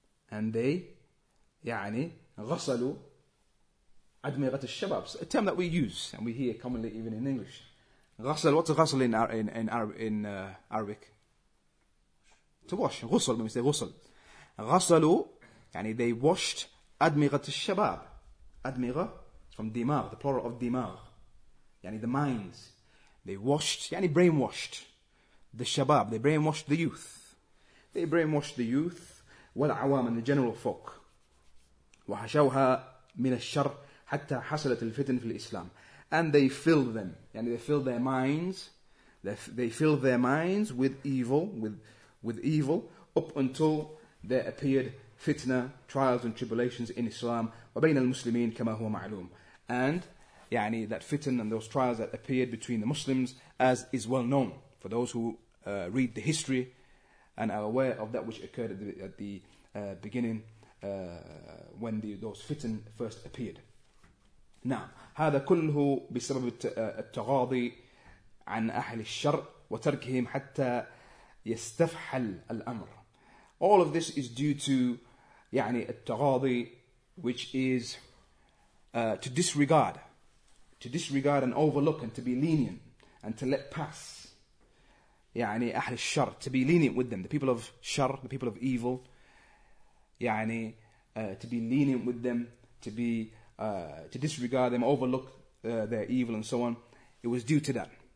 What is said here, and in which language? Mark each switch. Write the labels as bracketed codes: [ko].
[en] And they, [ar] يعني, غسلوا أدمغة الشباب. [en] A term that we use and we hear commonly even in English. غسل, what's غسل in Arabic? To wash. غسل, when we say غسل. [ar] غسلوا, يعني [en] they washed [ar] أدمغة الشباب. [en] أدمغة, from دماغ, the plural of دماغ. يعني the minds. They washed, يعني brainwashed. The Shabab, they brainwashed the youth. They brainwashed the youth, [ar] والعوام, [en] and the general folk. [ar] وحشوها من الشر حتى حصلت الفتن في الإسلام. [en] And they filled them. And they filled their minds. They filled their minds with evil, with evil, up until there appeared fitna, trials and tribulations in Islam. [ar] وبين المسلمين كما هو معلوم. [en] And يعني that fitna and those trials that appeared between the Muslims, as is well known. For those who read the history and are aware of that which occurred at the beginning when those fitn first appeared. Now, [ar] هذا كله بسبب التغاضي عن أهل الشر وتركهم حتى يستفحل الأمر. [en] All of this is due to يعني التغاضي, which is to disregard and overlook and to be lenient and to let pass. يعني أهل الشر, to be lenient with them, the people of shar, the people of evil, يعني to be lenient with them, to disregard them, overlook their evil and so on. It was due to that.